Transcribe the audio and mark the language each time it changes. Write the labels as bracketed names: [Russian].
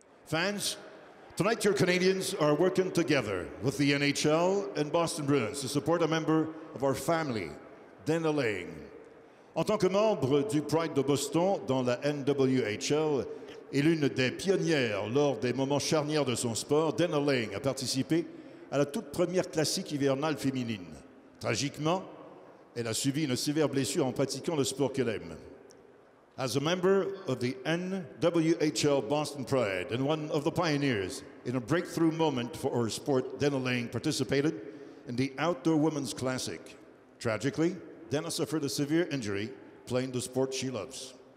[English] Fans, tonight your Canadians are working together with the NHL and Boston Bruins to support a member of our family, Denna Laing. [French] En tant que membre du Pride de Boston dans la NWHL et l'une des pionnières lors des moments charnières de son sport, Denna Laing a participé à la toute première classique hivernale féminine. Tragiquement, elle a subi une sévère blessure en pratiquant le sport qu'elle aime. [English] As a member of the NWHL Boston Pride and one of the pioneers in a breakthrough moment for our sport, Denna Laing participated in the Outdoor Women's Classic. Tragically, Denna suffered a severe injury playing the sport she loves.